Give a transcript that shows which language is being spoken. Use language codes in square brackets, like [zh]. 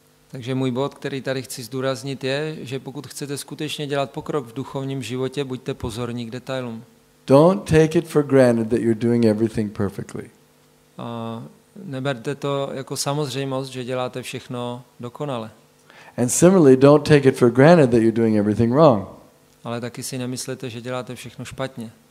[cs] Takže můj bod, který tady chci zdůraznit, je, že pokud chcete skutečně dělat pokrok v duchovním životě, buďte pozorní k detailům. [en] Don't take it for granted that you're doing everything perfectly. [cs] Neberte to jako samozřejmost, že děláte všechno dokonale. [en] And similarly, don't take it for granted that you're doing everything wrong. [cs] Ale taky si nemyslete, že děláte všechno špatně.